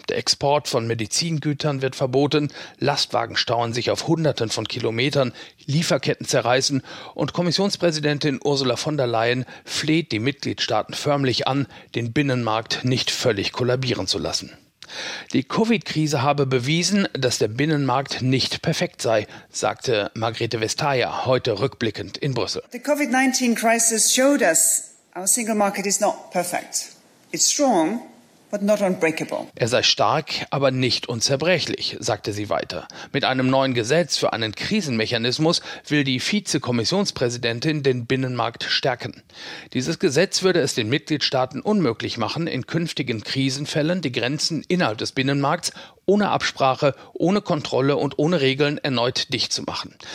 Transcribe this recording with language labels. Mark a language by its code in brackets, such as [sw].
[de] Der Export von Medizingütern wird verboten, Lastwagen stauen sich auf Hunderten von Kilometern, Lieferketten zerreißen und Kommissionspräsidentin Ursula von der Leyen fleht die Mitgliedstaaten förmlich an, den Binnenmarkt nicht völlig kollabieren zu lassen. Die Covid-Krise habe bewiesen, dass der Binnenmarkt nicht perfekt sei, sagte Margrethe Vestager heute rückblickend in Brüssel. [en] The COVID-19-Crisis showed us, our single market is not perfect. It's strong, but not unbreakable. [de] Er sei stark, aber nicht unzerbrechlich, sagte sie weiter. Mit einem neuen Gesetz für einen Krisenmechanismus will die Vize-Kommissionspräsidentin den Binnenmarkt stärken. Dieses Gesetz würde es den Mitgliedstaaten unmöglich machen, in künftigen Krisenfällen die Grenzen innerhalb des Binnenmarkts ohne Absprache, ohne Kontrolle und ohne Regeln erneut dicht zu machen.